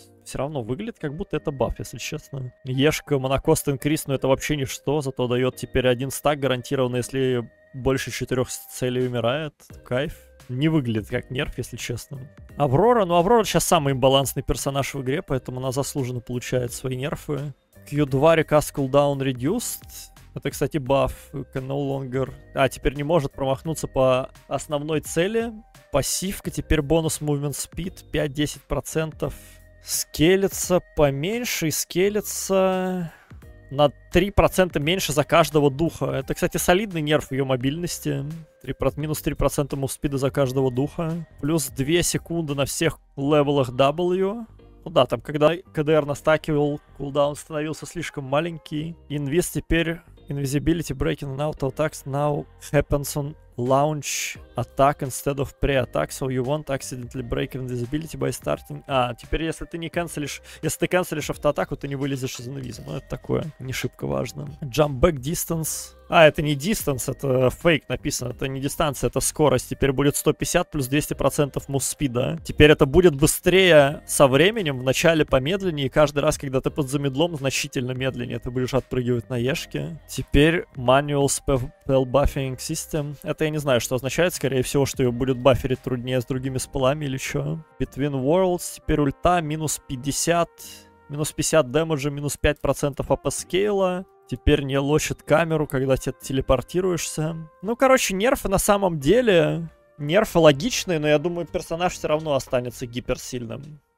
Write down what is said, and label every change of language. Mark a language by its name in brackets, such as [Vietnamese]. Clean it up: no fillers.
[Russian] Все равно выглядит, как будто это баф, если честно. Ешка, монокост инкрис, но это вообще ничто, зато дает теперь один стак гарантированно, если... Больше 4 целей умирает. Кайф. Не выглядит как нерф, если честно. Аврора. Ну, Аврора сейчас самый балансный персонаж в игре, поэтому она заслуженно получает свои нерфы. [English] Q2 recast cooldown reduced. [Russian] Это, кстати, баф. [English] Can no longer... [Russian] А, теперь не может промахнуться по основной цели. Пассивка. Теперь бонус movement speed. 5-10%. Скелится поменьше. И скелится... На 3% меньше за каждого духа. Это, кстати, солидный нерф ее мобильности. Минус 3% мувспида за каждого духа. Плюс 2 секунды на всех левелах W. Ну да, там, когда КДР настакивал, кулдаун становился слишком маленький. Инвиз теперь... [English] Invisibility breaking and auto attacks now happens on launch attack instead of pre-attack, so you won't accidentally break invisibility by starting... [Russian] А, теперь если ты не канцелишь, если ты канцелишь автоатаку, ты не вылезешь из инвиза. Ну, это такое, не шибко важно. [English] Jump back distance. [Russian] А, это не distance, это фейк написано. Это не дистанция, это скорость. Теперь будет 150 плюс 200% мусспида. Теперь это будет быстрее со временем, вначале помедленнее, и каждый раз, когда ты под замедлом, значительно медленнее ты будешь отпрыгивать на Ешке. [English] Теперь manual spell buffing system. [Russian] Это я не знаю, что означает. Скорее всего, что ее будет бафферить труднее с другими спеллами или что. Between worlds. Теперь ульта минус 50. Минус 50 дэмэджа, минус 5% апскейла. Теперь не лочит камеру, когда ты телепортируешься. Ну, короче, нерфы на самом деле... Нерфы логичные, но я думаю, персонаж все равно останется гиперсильным.